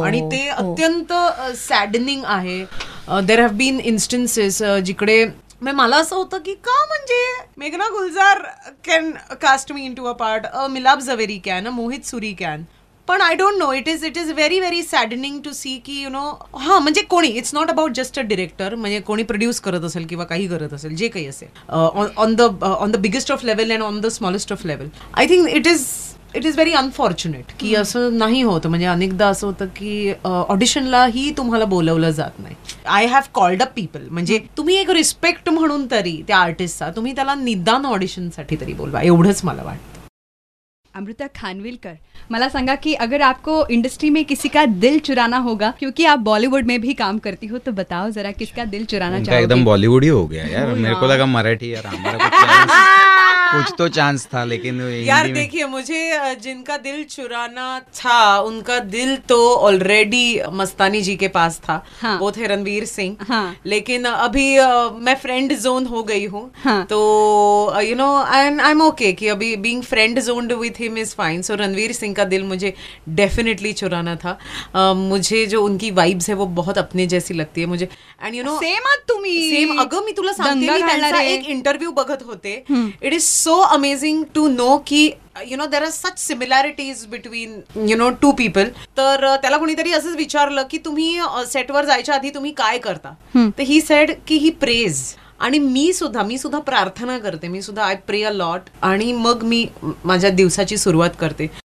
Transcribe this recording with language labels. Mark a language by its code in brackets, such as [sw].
[mr] आणि ते अत्यंत सॅडनिंग आहे। [en] there have been instances [mr] जिकडे मला असं होतं की का म्हणजे मेघना Gulzar [en] can caste me in to a part, [mr] मिलाप Zaveri can, Mohit Suri can, पण [en] I don't know, it is very very saddening to see [mr] की यु नो हा म्हणजे कोणी, [en] it's not about just a director, [mr] म्हणजे कोणी प्रोड्यूस करत असेल किंवा काही करत असेल जे काही असेल [en] on the biggest of level [mr] and on the smallest of level, [en] I think it is very unfortunate [mr] की असं नाही होतं। म्हणजे अनेकदा असं होतं की ऑडिशनलाही तुम्हाला बोलवलं जात नाही। [en] I have called a people, [mr] म्हणजे तुम्ही एक रिस्पेक्ट म्हणून तरी त्या आर्टिस्टचा तुम्ही त्याला निदान ऑडिशनसाठी तरी बोलवा, एवढंच मला वाटतं। [hi] अमृता खानविलकर [mr] मला सांगा की [hi] अगर आपको इंडस्ट्री में किसी का दिल चुराना होगा क्योंकि आप बॉलीवुड में भी काम करती हो तो बताओ जरा किसका दिल चुराना चाहोगे? एकदम बॉलीवुड ही हो गया यार, मेरे को लगा मराठी यार, हमारा कुछ तो चांस था लेकिन यार देखिए मुझे जिनका दिल चुराना था उनका दिल तो ऑलरेडी मस्तानी जी के पास था, वो थे रणवीर सिंह, लेकिन अभी मैं फ्रेंड जोन हो गई हूँ तो [en] you know I am okay [hi] कि अभी [en] Being friend zoned with him is fine. [hi] सो रणवीर सिंह का दिल मुझे डेफिनेटली चुराना था, मुझे जो उनकी वाइब्स है वो बहुत अपने जैसी लगती है मुझे, [en] and you know [mr] सेम तुम्ही सेम अगं मी तुला सांगते मी त्यांचा एक इंटरव्ह्यू बघत होते, [en] It is so amazing to know की you know there are such similarities between you know two people. [mr] तर त्याला कोणीतरी असंच विचारलं की तुम्ही सेटवर जायच्या आधी तुम्ही काय करता, तर [en] he said की he prays, [mr] आणि मी सुद्धा प्रार्थना करते, मी सुद्धा [en] I pray a lot [mr] आणि मग मी माझ्या दिवसाची सुरुवात करते।